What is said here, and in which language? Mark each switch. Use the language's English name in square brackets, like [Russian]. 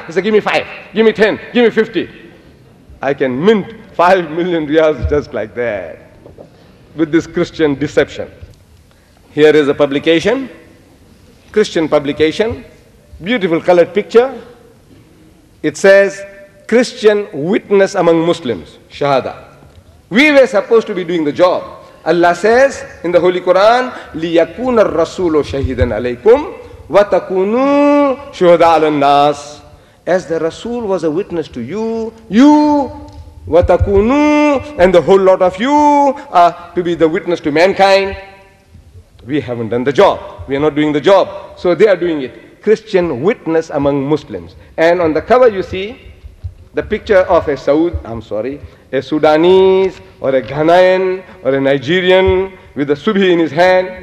[English] I say, give me 5, give me 10, give me 50. I can mint 5 million riyals just like that with this Christian deception. Here is a publication, Christian publication, beautiful colored picture. It says, Christian witness among Muslims, Shahada. We were supposed to be doing the job. Allah says in the Holy Quran, [Arabic] لِيَكُونَ الرَّسُولُ شَهِدًا عَلَيْكُمْ وَتَكُونُوا شُهَدَ عَلَى النَّاسِ. [English] As the Rasul was a witness to you, you, [Arabic] وَتَكُونُوا, [English] and the whole lot of you are to be the witness to mankind. We haven't done the job. We are not doing the job. So they are doing it. Christian witness among Muslims. And on the cover you see, the picture of a Sudanese or a Ghanaian or a Nigerian with a subhi in his hand.